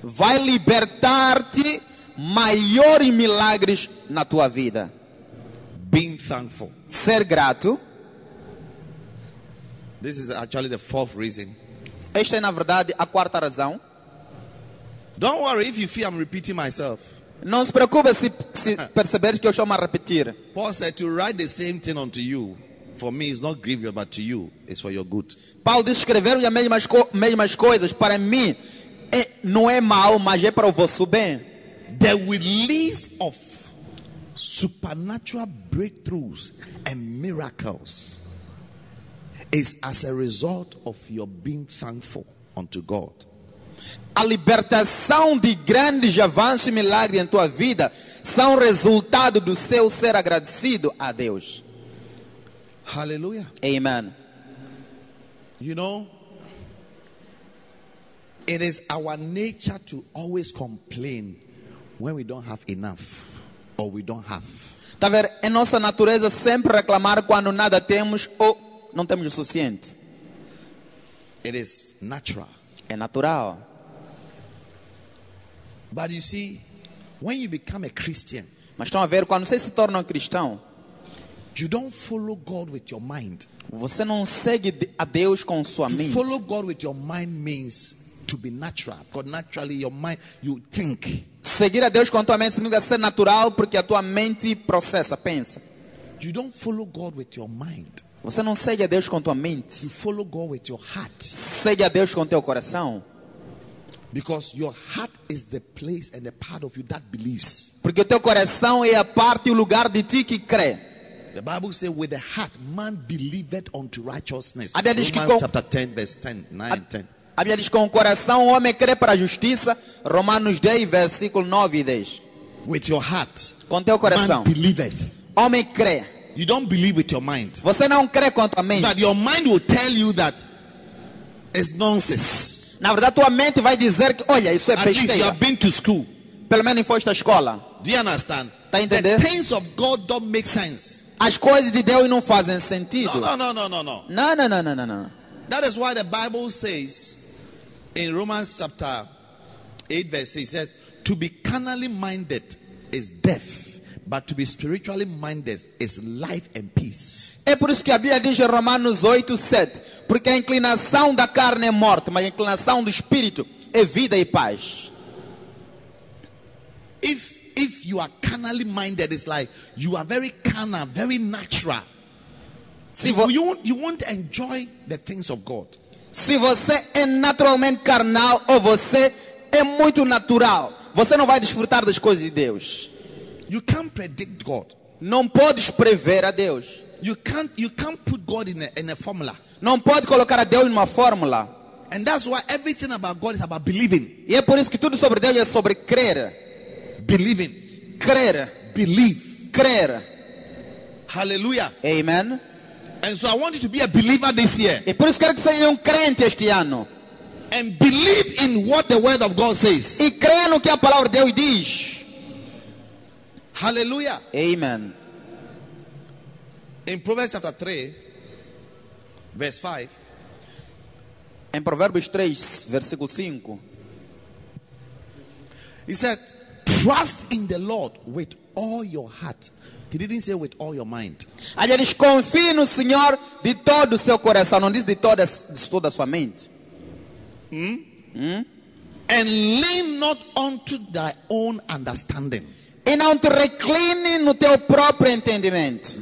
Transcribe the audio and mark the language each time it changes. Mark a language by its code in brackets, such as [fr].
[pt] Vai libertar-te maiores milagres na tua vida. [en] Being thankful. [pt] Ser grato. [en] This is actually the fourth reason. [pt] Esta é na verdade a quarta razão. [en] Don't worry if you feel I'm repeating myself. [pt] Não se preocupe se perceberes que eu estou a repetir. [en] Paul said to write the same thing unto you. For me, it's not grievous, but to you, it's for your good. [pt] Paulo diz, escreveram as mesmas coisas. Para mim, não é mal, mas é para o vosso bem. [en] The release of supernatural breakthroughs and miracles is as a result of your being thankful unto God. [pt] A libertação de grandes avanços e milagres em tua vida são resultado do seu ser agradecido a Deus. Hallelujah. Amen. [en] You know, it is our nature to always complain when we don't have enough or we don't have. [pt] Tá vendo? É nossa natureza sempre reclamar quando nada temos ou não temos o suficiente. [en] It is natural. [pt] É natural. [en] But you see, when you become a Christian, [pt] mas estão a ver quando você se torna um cristão, [en] you don't follow God with your mind. [pt] Você não segue a Deus com sua [en] to [pt] mente. [en] To follow God with your mind means to be natural. Because naturally your mind, you think. [pt] Seguir a Deus com a tua mente significa ser natural porque a tua mente processa, pensa. [en] You don't follow God with your mind. [pt] Você não segue a Deus com tua mente. [en] You follow God with your heart. [pt] Segue a Deus com teu coração. [en] Because your heart is the place and the part of you that believes. [pt] Porque teu coração é a parte e o lugar de ti que crê. [en] The Bible says, "With the heart, man believeth unto righteousness." [pt] A Bíblia diz que [en] Romans chapter 10, verse 10, 9 and 10. [pt] A Bíblia diz que com o coração o homem crê para a justiça. Romanos 10, versículo 9 e 10. [en] With your heart, [pt] com teu coração, [en] man believeth. [pt] Homem crê. [en] You don't believe with your mind. [pt] Você não crê com tua mente. [en] But your mind will tell you that it's nonsense. [pt] Na verdade, tua mente vai dizer que, olha, isso é [en] at [pt] besteira. [en] At least you have been to school. [pt] Pelo menos foste à escola. [en] Do you understand? [pt] Tá entendendo? [en] The things of God don't make sense. [pt] As coisas de Deus não fazem sentido. [en] No. That is why the Bible says in Romans chapter 8 verse 6, it says, to be carnally minded is death, but to be spiritually minded is life and peace. [pt] É por isso que a Bíblia diz em Romanos 8, 7, porque a inclinação da carne é morte, mas a inclinação do espírito é vida e paz. [en] If you are carnally minded, it's like you are very carnal, very natural. You won't enjoy the things of God. [pt] Se você é naturalmente carnal ou você é muito natural, você não vai desfrutar das coisas de Deus. [en] You can't predict God. [pt] Não pode prever a Deus. [en] You can't put God in a formula. [pt] Não pode colocar a Deus numa fórmula. [en] And that's why everything about God is about believing. [pt] E é por isso que tudo sobre Deus é sobre crer. [en] Believing, [pt] crer, [en] believe, [pt] crer. Hallelujah. Amen. [en] And so I want you to be a believer this year. [pt] E por isso quero que seja crente este ano. [en] And believe in what the word of God says. [pt] E creia no que a palavra de Deus diz. Hallelujah. Amen. [en] In Proverbs chapter 3, verse 5. [pt] Em Provérbios 3, versículo 5. [en] He said, trust in the Lord with all your heart. He didn't say with all your mind. [pt] Ele diz, confie no Senhor de todo o seu coração. Não diz de toda a sua mente. [en] And lean not unto thy own understanding. [pt] E não te recline no teu próprio entendimento.